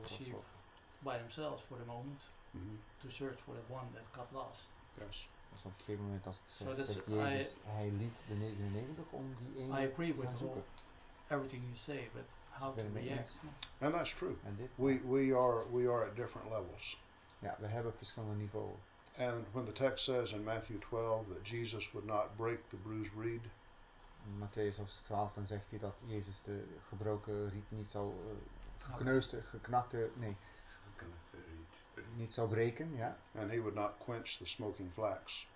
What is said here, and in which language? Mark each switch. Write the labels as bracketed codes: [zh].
[en] sheep by themselves for the moment, mm-hmm. to search for the one that got lost. Yes. [nl] Dus op een gegeven moment als het zegt Jezus, hij liet de 99 om die ene te gaan zoeken. [en] I agree with everything you say, but how to react? And that's true. We are at different levels. [nl] Ja, we hebben verschillende niveaus. [en] And when the text says in Matthew 12 that Jesus would not break the bruised reed. [nl] In Matthäus 12 dan zegt hij dat Jezus de gebroken riet niet zou geknakte, nee, niet zou breken, ja. [en] And he would not quench the smoking flax.